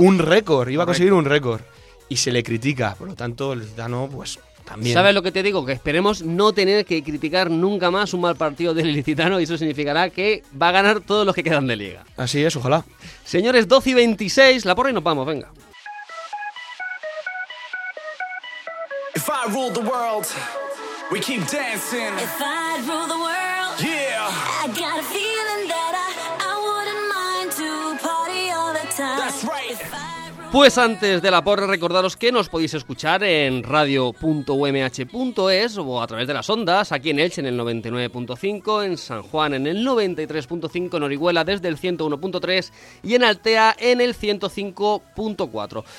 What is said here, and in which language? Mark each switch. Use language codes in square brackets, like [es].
[es] Un récord, iba Correcto. A conseguir un récord. Y se le critica. Por lo tanto, el Zidane, pues... También. ¿Sabes lo que te digo? Que esperemos no tener que criticar nunca más un mal partido del licitano, y eso significará que va a ganar todos los que quedan de liga. Así es, ojalá. Señores, 12 y 26, la porra y nos vamos, venga. [en] If I rule the world, we keep dancing. If I rule the world, yeah. I got a feeling that I wouldn't mind to party all the time. That's right. [es] Pues antes de la porra, recordaros que nos podéis escuchar en radio.umh.es o a través de las ondas, aquí en Elche en el 99.5, en San Juan en el 93.5, en Orihuela desde el 101.3 y en Altea en el 105.4.